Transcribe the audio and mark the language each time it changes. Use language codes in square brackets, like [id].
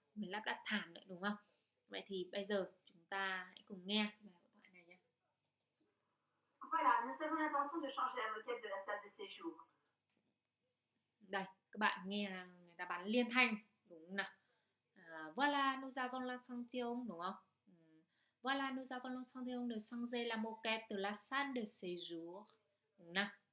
[vi] Mình lắp đặt thảm đấy, đúng không? Vậy thì bây giờ chúng ta hãy cùng nghe bài hội thoại này nhé. [fr] Voilà, nous avons l'intention de changer la moquette de la salle de séjour. [vi] Đây, các bạn nghe người ta bán liên thanh, đúng không nào? [fr] Voilà, nous avons l'intention, [vi] đúng không? [fr] Voilà, nous avons l'intention de changer la moquette de la salle de séjour, [vi] đúng không nào?